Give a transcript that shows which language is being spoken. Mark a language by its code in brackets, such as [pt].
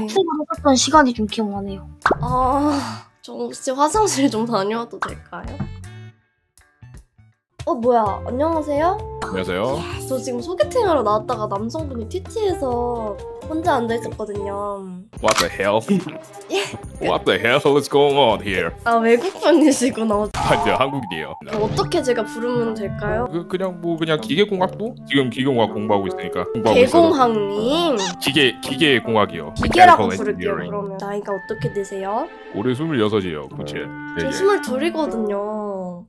[ko] 복습을 했던 시간이 좀 기억나네요. 아, 저 혹시 화장실 좀 다녀와도 될까요? 어, 뭐야, 안녕하세요? 안녕하세요. 야, 저 지금 소개팅하러 나왔다가 남성분이 TT에서 혼자 앉아있었거든요. [en] What the hell? What the hell is going on here? [ko] 아, 외국분이시구나. 아니요, 한국인이에요. 어떻게 제가 부르면 될까요? 그냥 뭐 그냥 기계공학도? 지금 기계공학 공부하고 있으니까. 개공학님? 기계공학이요. 기계라고 부를게요, 그러면. 나이가 어떻게 되세요? 올해 26이에요, 그치? 저 22이거든요.